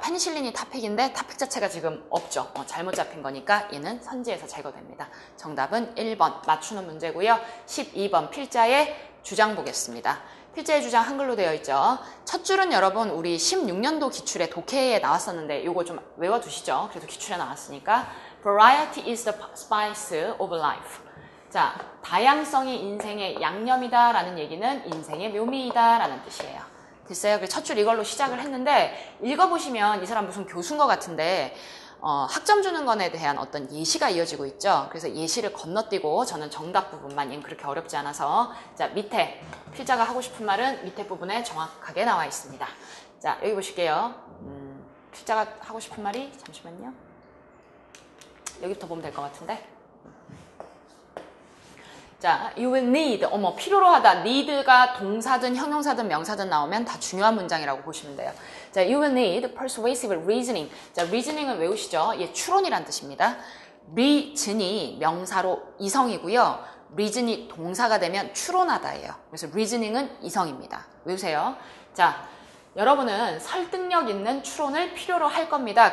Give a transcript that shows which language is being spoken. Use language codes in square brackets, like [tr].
[ko] 페니실린이 탑픽인데 탑픽 자체가 지금 없죠. 잘못 잡힌 거니까 얘는 선지에서 제거됩니다. 정답은 1번 맞추는 문제고요. 12번 필자의 주장 보겠습니다. 필자의 주장 한글로 되어 있죠. 첫 줄은 여러분 우리 16년도 기출에 독해에 나왔었는데 이거 좀 외워두시죠. 그래도 기출에 나왔으니까. [en] Variety is the spice of life. [ko] 자, 다양성이 인생의 양념이다 라는 얘기는 인생의 묘미이다 라는 뜻이에요. 됐어요? 첫 줄 이걸로 시작을 했는데 읽어보시면 이 사람 무슨 교수인 것 같은데 학점 주는 건에 대한 어떤 예시가 이어지고 있죠. 그래서 예시를 건너뛰고 저는 정답 부분만 그렇게 어렵지 않아서 자 밑에 필자가 하고 싶은 말은 밑에 부분에 정확하게 나와 있습니다. 자 여기 보실게요. 필자가 하고 싶은 말이 잠시만요. 여기부터 보면 될 것 같은데. 자, [en] you will need, [ko] 필요로 하다. need가 동사든 형용사든 명사든 나오면 다 중요한 문장이라고 보시면 돼요. [en] 자, you will need persuasive reasoning. [ko] 자, reasoning은 외우시죠? 예, 추론이란 뜻입니다. reason이 명사로 이성이고요. reason이 동사가 되면 추론하다예요. 그래서 reasoning은 이성입니다. 외우세요. 자, 여러분은 설득력 있는 추론을 필요로 할 겁니다.